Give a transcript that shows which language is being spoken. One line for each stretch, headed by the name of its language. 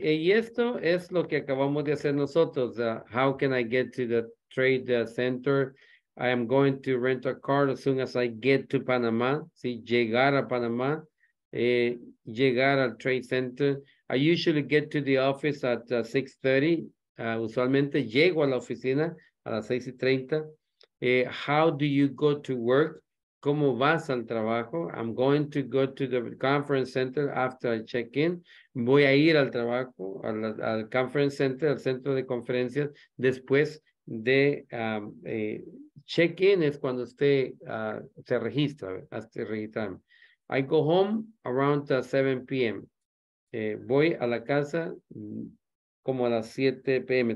Spanish: Y esto es lo que acabamos de hacer nosotros.
English: How can I get to the trade center? I am going to rent a car as soon as I get to Panama. ¿Sí?
Spanish: Llegar a Panama, llegar al trade center.
English: I usually get to the office at 6:30.
Spanish: Usualmente llego a la oficina a las 6:30.
English: How do you go to work?
Spanish: ¿Cómo vas al trabajo?
English: I'm going to go to the conference center after I check in.
Spanish: Voy a ir al trabajo, al conference center, al centro de conferencias, después de check in es cuando usted se registra, hasta registrarme.
English: I go home around 7 p.m.
Spanish: Voy a la casa como a las 7 p.m.